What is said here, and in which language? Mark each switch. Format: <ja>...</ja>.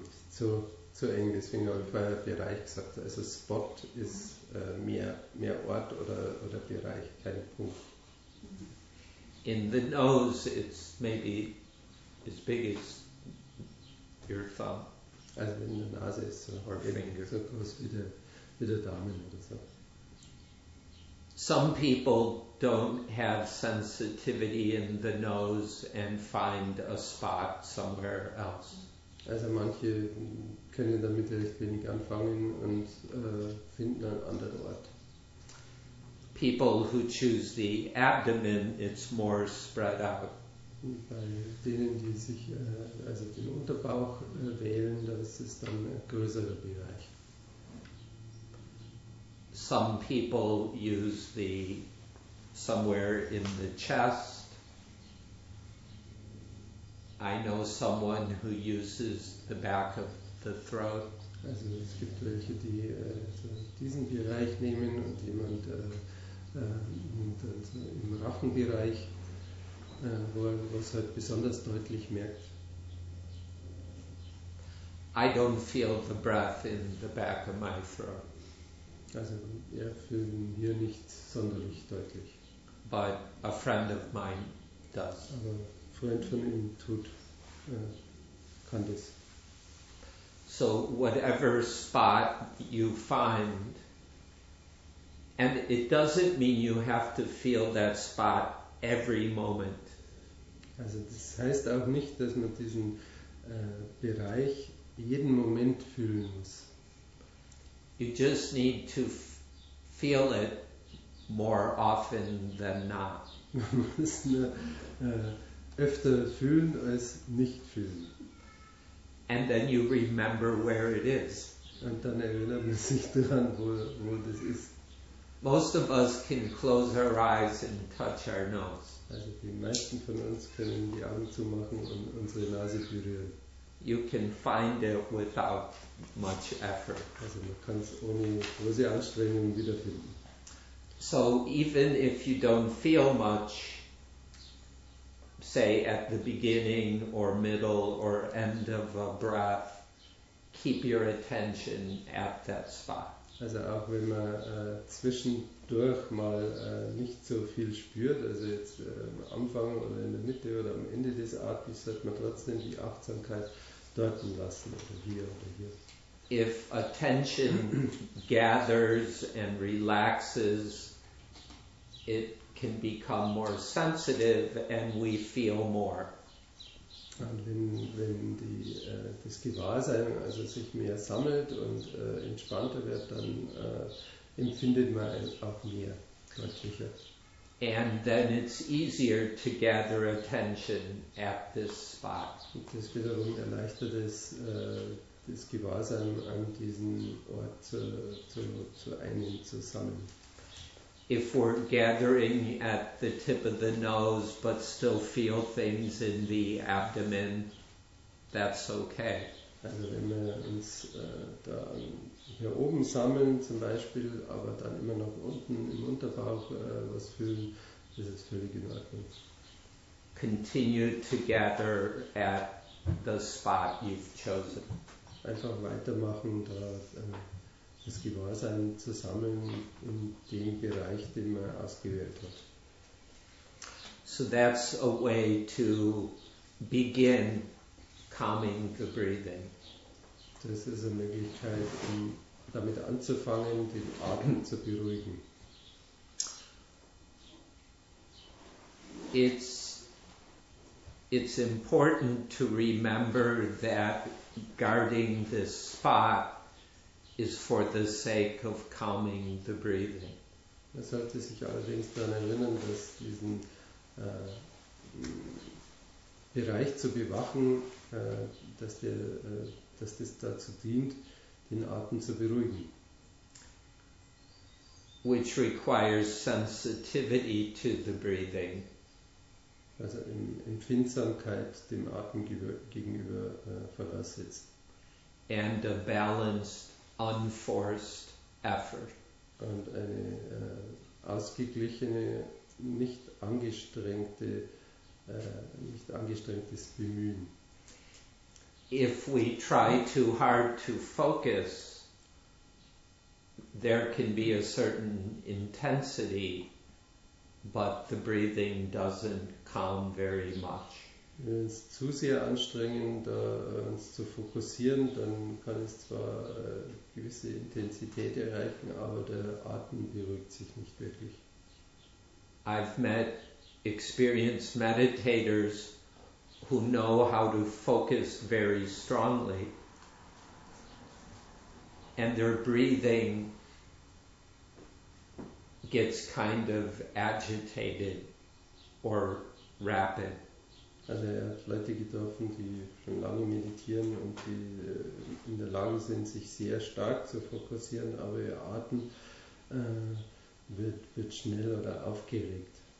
<de>Zu eng, deswegen habe ich vorher Bereich gesagt. Also Spot ist mehr Ort oder Bereich, kein Punkt.</de> <en>In the nose, it's maybe as big as your thumb.</en> <de>Also in der Nase ist so,</de> <en>or finger.</en> <de>So groß wie der Daumen oder so.</de> <en>Some people don't have sensitivity in the nose and find a spot somewhere else.</en> <de>Also manche können damit recht wenig anfangen und finden einen anderen Ort.</de> <en>People who choose the abdomen, it's more spread out.</en> <de>Bei denen, die sich also den Unterbauch wählen, da ist es dann ein größerer Bereich.</de> <en>Some people use the somewhere in the chest. I know someone who uses the back of the throat.</en> <de>Also es gibt welche, die so diesen Bereich nehmen und jemand und im Rachenbereich, wo es halt besonders deutlich merkt.</de> <en>I don't feel the breath in the back of my throat.</en> <de>Also wir fühlen hier nicht sonderlich deutlich.</de> <en>But a friend of mine does.</en> <de>Aber ein Freund von ihm tut, kann das.</de> <en>So whatever spot you find, and it doesn't mean you have to feel that spot every moment.</en> <de>Also das heißt auch nicht, dass man diesen Bereich jeden Moment fühlen muss.</de> <en>You just need to feel it more often than not.</en> <de>Man muss nur öfter fühlen als nicht fühlen.</de> <en>And then you remember where it is.</en> <de>Und dann erinnert man sich daran, wo das ist.</de> <en>Most of us can close our eyes and touch our nose.</en> <de>Also die meisten von uns können die Augen zumachen und unsere Nase berühren.</de> <en>You can find it without much effort.</en> <de>Also man kann es ohne große Anstrengung wiederfinden.</de> <en>So even if you don't feel much, say at the beginning or middle or end of a breath, keep your attention at that spot.</en> <de>Also auch wenn man zwischendurch mal nicht so viel spürt, also jetzt am Anfang oder in der Mitte oder am Ende des Atems, sollte man trotzdem die Achtsamkeit deuten lassen, oder hier.</de> <en>If attention gathers and relaxes, it can become more sensitive and we feel more.</en> <de>Und wenn die, das Gewahrsein also sich mehr sammelt und entspannter wird, dann empfindet man auch mehr, deutlicher.</de> <en>And then it's easier to gather attention at this spot.</en> <de>Und das wiederum erleichtert es, das Gewahrsein an diesen Ort zu einem zu sammeln.</de> <en>If we're gathering at the tip of the nose but still feel things in the abdomen, that's okay.</en> <de>Also wenn wir uns da hier oben sammeln zum Beispiel, aber dann immer noch unten im Unterbauch was fühlen, das ist völlig in Ordnung.</de> <en>Continue to gather at the spot you've chosen.</en> <de>Einfach weitermachen da. Das Gewahrsein zu sammeln in dem Bereich, den man ausgewählt hat.</de> <en>So that's a way to begin calming the breathing.</en> <de>Das ist eine Möglichkeit, um damit anzufangen, den Atem zu beruhigen.</de> <en>It's important to remember that guarding this spot is for the sake of calming the breathing.</en> <de>Man sollte sich allerdings daran erinnern, dass diesen Bereich zu bewachen, dass das dazu dient, den Atem zu beruhigen.</de> <en>Which requires sensitivity to the breathing.</en> <de>Also Empfindsamkeit dem Atem gegenüber voraussetzt.</de> <en>And a balanced, unforced effort.</en> <de>Und eine ausgeglichene, nicht angestrengtes Bemühen.</de> <en>If we try too hard to focus, there can be a certain intensity, but the breathing doesn't calm very much.</en> <de>Wenn wir uns zu sehr anstrengen, da uns zu fokussieren, dann kann es zwar gewisse Intensität erreichen, aber der Atem beruhigt sich nicht wirklich.</de> <en>I've met experienced meditators who know how to focus very strongly, and their breathing gets kind of agitated or rapid.</en> <de>Also er hat Leute getroffen, die schon lange meditieren und die in der Lage sind, sich sehr stark zu fokussieren, aber ihr Atem wird schnell oder aufgeregt.</de>